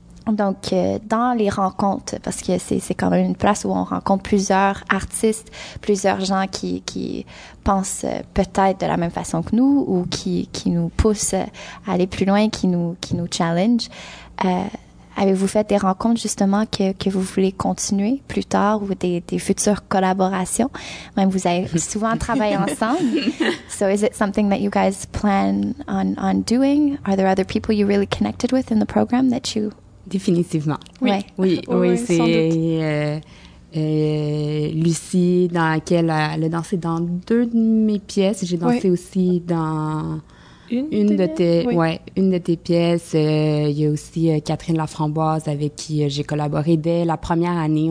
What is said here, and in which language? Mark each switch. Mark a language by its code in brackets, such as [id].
[fr] Donc, dans les rencontres, parce que c'est quand même une place où on rencontre plusieurs artistes, plusieurs gens qui pensent peut-être de la même façon que nous ou qui nous poussent à aller plus loin, qui nous challenge. Avez-vous fait des rencontres justement que vous voulez continuer plus tard ou des futures collaborations? Même vous avez souvent travaillé ensemble. [en] So is it something that you guys plan on doing? Are there other people you really connected with in the program that you... [fr] Définitivement. Oui, oui, oui, oui, c'est sans doute. Lucie, dans laquelle elle a dansé dans deux de mes pièces. J'ai dansé aussi dans une de tes pièces. Il y a aussi Catherine Laframboise avec qui j'ai collaboré dès la première année.